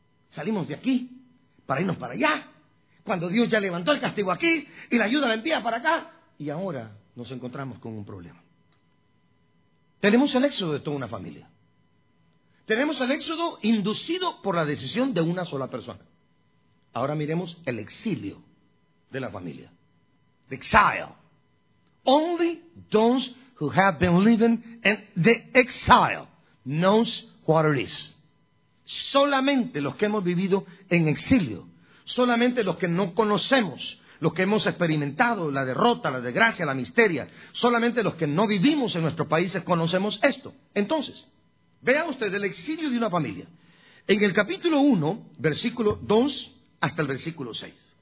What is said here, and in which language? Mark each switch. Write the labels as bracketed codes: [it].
[es] Salimos de aquí para irnos para allá. Cuando Dios ya levantó el castigo aquí y la ayuda la envía para acá. Y ahora nos encontramos con un problema. Tenemos el éxodo de toda una familia. Tenemos el éxodo inducido por la decisión de una sola persona. Ahora miremos el exilio de la familia. [en] the exile. Only those who have been living in the exile knows what it is. [es] Solamente los que hemos vivido en exilio, solamente los que no conocemos, los que hemos experimentado la derrota, la desgracia, la miseria, solamente los que no vivimos en nuestros países conocemos esto. Entonces, vean ustedes el exilio de una familia. En el capítulo 1, versículo 2 hasta el versículo 6.